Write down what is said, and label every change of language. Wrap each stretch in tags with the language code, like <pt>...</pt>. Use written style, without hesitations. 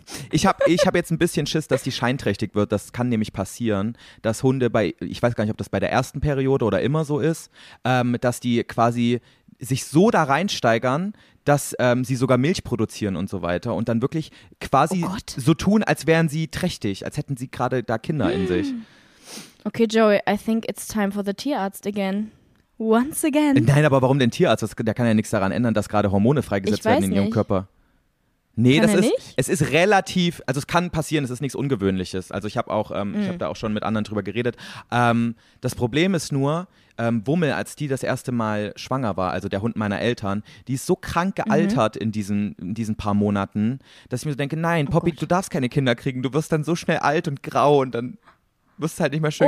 <de>Ich hab jetzt ein bisschen Schiss, dass die scheinträchtig wird. Das kann nämlich passieren, dass Hunde bei... Ich weiß gar nicht, ob das bei der ersten Periode oder immer so ist, dass die quasi sich so da reinsteigern, dass sie sogar Milch produzieren und so weiter und dann wirklich quasi oh so tun, als wären sie trächtig, als hätten sie gerade da Kinder in sich.</de> <en>Okay, Joey, I think it's time for the Tierarzt again. Once again.</en> <de>Nein, aber warum denn Tierarzt? Der kann ja nichts daran ändern, dass gerade Hormone freigesetzt werden in ihrem nicht. Körper. Nee, kann das ist nicht? Es ist relativ, also es kann passieren, es ist nichts Ungewöhnliches. Also ich habe auch, ich habe da auch schon mit anderen drüber geredet. Das Problem ist nur, Wummel, als die das erste Mal schwanger war, also der Hund meiner Eltern, die ist so krank gealtert in diesen paar Monaten, dass ich mir so denke, nein, Poppy, du darfst keine Kinder kriegen, du wirst dann so schnell alt und grau und dann wirst du halt nicht mehr schön</de>